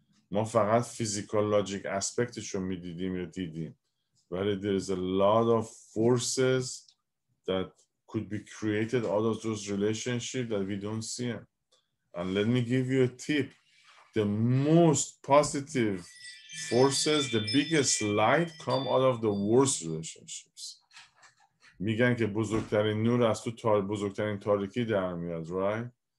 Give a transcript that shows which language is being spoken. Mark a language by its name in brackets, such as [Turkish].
[Persian] ما فقط فیزیکال لاجیک aspectش رو میدیدیم یا دیدیم. ولی [English] there is a lot of forces that could be created out of those relationships that we don't see. And let me give you a tip. The most positive forces, the biggest light come out of the worst relationships. [Persian] میگن که بزرگترین نور از تو بزرگترین تاریکی در میاد, [English] right?